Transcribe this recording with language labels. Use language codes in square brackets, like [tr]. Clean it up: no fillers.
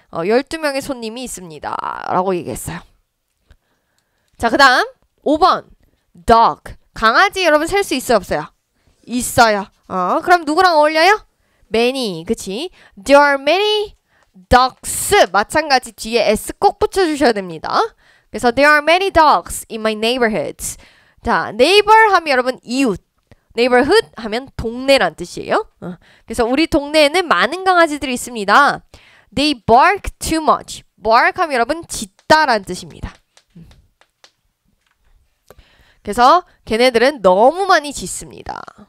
[ko] 12명의 손님이 있습니다라고 얘기했어요. 자, 그다음 5번. Dog. 강아지 여러분 셀수 있어요, 없어요? 있어요. 그럼 누구랑 어울려요? Many. 그치? [en] There are many dogs. [ko] 마찬가지 뒤에 S 꼭 붙여 주셔야 됩니다. 그래서 [en] there are many dogs in my neighborhoods. [ko] 자, neighbor 하면 여러분 이웃, neighborhood 하면 동네란 뜻이에요. 그래서 우리 동네에는 많은 강아지들이 있습니다. [en] They bark too much. bark [ko] 하면 여러분 짖다란 뜻입니다. 그래서 걔네들은 너무 많이 짖습니다.